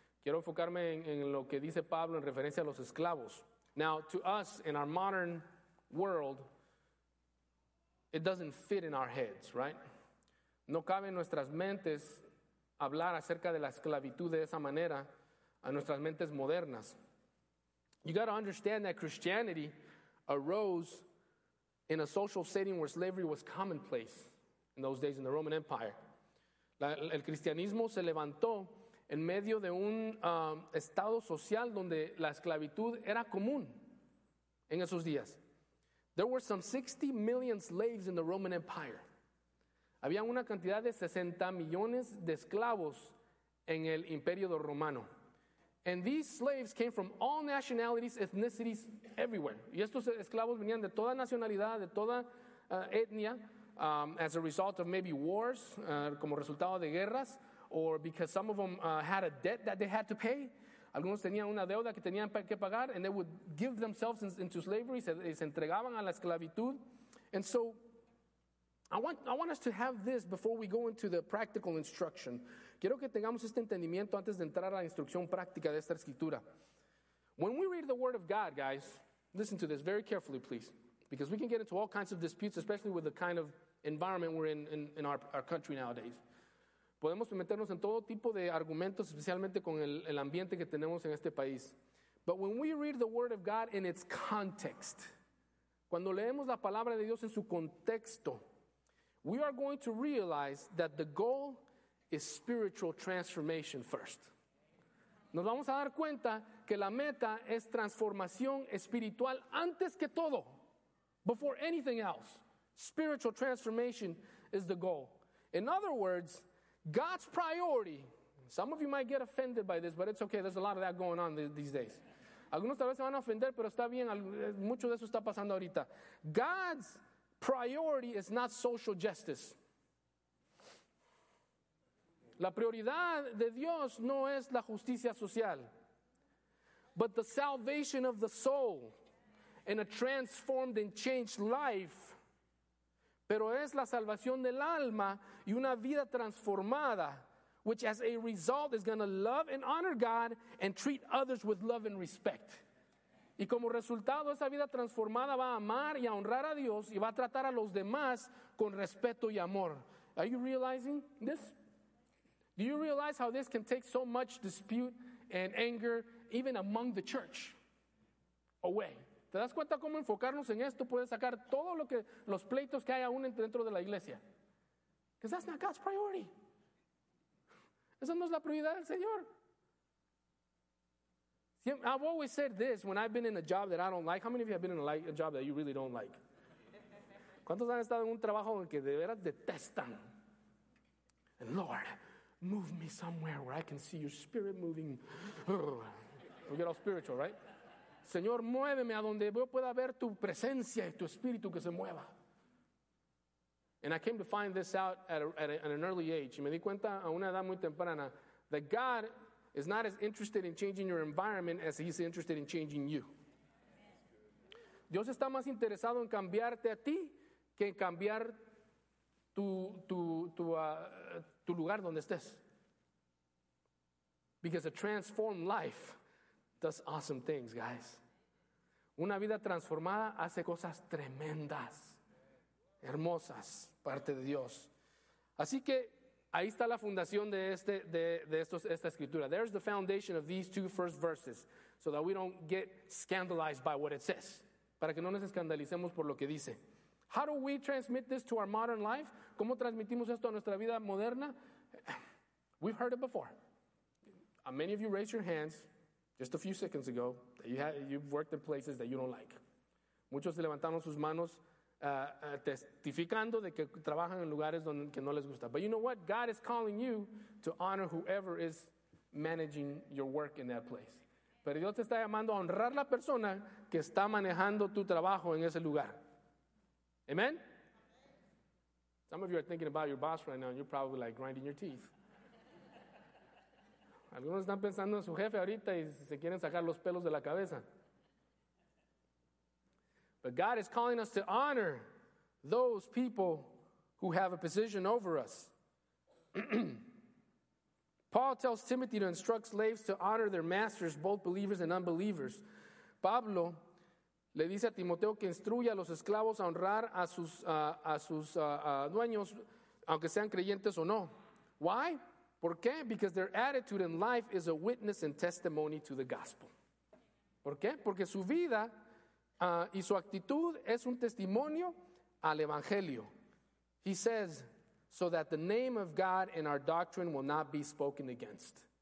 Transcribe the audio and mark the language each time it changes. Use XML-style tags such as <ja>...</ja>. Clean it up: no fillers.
<es>Quiero enfocarme en lo que dice Pablo en referencia a los esclavos.</es> <en>Now, to us, in our modern world, it doesn't fit in our heads, right?</en> <es>No cabe en nuestras mentes hablar acerca de la esclavitud de esa manera a nuestras mentes modernas.</es> <en>You got to understand that Christianity arose in a social setting where slavery was commonplace in those days in the Roman Empire.</en> <es>El cristianismo se levantó en medio de un estado social donde la esclavitud era común en esos días.</es> <en>There were some 60 million slaves in the Roman Empire.</en> <es>Había una cantidad de 60 millones de esclavos en el Imperio Romano.</es> <en>And these slaves came from all nationalities, ethnicities, everywhere.</en> <es>Y estos esclavos venían de toda nacionalidad, de toda etnia,</es> <en>as a result of maybe wars,</en> <es>como resultado de guerras,</es> <en>or because some of them had a debt that they had to pay.</en> <es>Algunos tenían una deuda que tenían que pagar,</es> <en>and they would give themselves into slavery,</en> <es>se entregaban a la esclavitud.</es> <en>And so I want us to have this before we go into the practical instruction.</en> <es>Quiero que tengamos este entendimiento antes de entrar a la instrucción práctica de esta escritura.</es> <en>When we read the Word of God, guys, listen to this very carefully, please, because we can get into all kinds of disputes, especially with the kind of environment we're in our country nowadays.</en> <es>Podemos meternos en todo tipo de argumentos, especialmente con el ambiente que tenemos en este país.</es> <en>But when we read the Word of God in its context,</en> <es>cuando leemos la palabra de Dios en su contexto,</es> <en>we are going to realize that the goal is spiritual transformation first.</en> <es>Nos vamos a dar cuenta que la meta es transformación espiritual antes que todo,</es> <en>before anything else. Spiritual transformation is the goal. In other words, God's priority, some of you might get offended by this, but it's okay, there's a lot of that going on these days.</en> <es>Algunos tal vez se van a ofender, pero está bien, mucho de eso está pasando ahorita.</es> <en>God's priority is not social justice.</en> <es>La prioridad de Dios no es la justicia social,</es> <en>but the salvation of the soul and a transformed and changed life.</en> <es>Pero es la salvación del alma y una vida transformada,</es> <en>which as a result is going to love and honor God and treat others with love and respect.</en> <es>Y como resultado, esa vida transformada va a amar y a honrar a Dios y va a tratar a los demás con respeto y amor.</es> <en>Are you realizing this? Do you realize how this can take so much dispute and anger even among the church away?</en> <es>¿Te das cuenta cómo enfocarnos en esto puede sacar todo lo que los pleitos que hay aún dentro de la iglesia?</es> <en>Because that's not God's priority.</en> <es>Esa no es la prioridad del Señor.</es> <en>See, I've always said this when I've been in a job that I don't like. How many of you have been in a job that you really don't like?</en> <es>¿Cuántos han estado en un trabajo que de veras detestan?</es> <en>And Lord, move me somewhere where I can see your spirit moving. We get all spiritual, right?</en> <es>Señor, muéveme a donde yo pueda ver tu presencia y tu espíritu que se mueva.</es> <en>And I came to find this out at an early age.</en> <es>Y me di cuenta a una edad muy temprana</es> <en>that God is not as interested in changing your environment as he's interested in changing you.</en> <es>Dios está más interesado en cambiarte a ti que en cambiar tu lugar donde estés.</es> <en>Because a transformed life does awesome things, guys.</en> <es>Una vida transformada hace cosas tremendas, hermosas, parte de Dios. Así que ahí está la fundación de esta escritura.</es> <en>There's the foundation of these two first verses, so that we don't get scandalized by what it says.</en> <es>Para que no nos escandalicemos por lo que dice.</es> <en>How do we transmit this to our modern life?</en> <es>¿Cómo transmitimos esto a nuestra vida moderna?</es> <en>We've heard it before. Many of you raised your hands just a few seconds ago, that you've worked in places that you don't like.</en> <es>Muchos levantaron sus manos testificando de que trabajan en lugares donde que no les gusta.</es> <en>But you know what? God is calling you to honor whoever is managing your work in that place.</en> <es>Pero Dios te está llamando a honrar la persona que está manejando tu trabajo en ese lugar.</es> <en>Amen? Some of you are thinking about your boss right now, and you're probably like grinding your teeth.</en> <es>Algunos están pensando en su jefe ahorita y se quieren sacar los pelos de la cabeza.</es> <en>But God is calling us to honor those people who have a position over us. Paul tells Timothy to instruct slaves to honor their masters, both believers and unbelievers.</en> <es>Pablo le dice a Timoteo que instruya a los esclavos a honrar a sus dueños, aunque sean creyentes o no.</es> <en>Why?</en> <es>¿Por qué?</es> <en>Because their attitude in life is a witness and testimony to the gospel.</en> <es>¿Por qué? Porque su vida y su actitud es un testimonio al evangelio.</es> <en>He says, so that the name of God and our doctrine will not be spoken against.</en>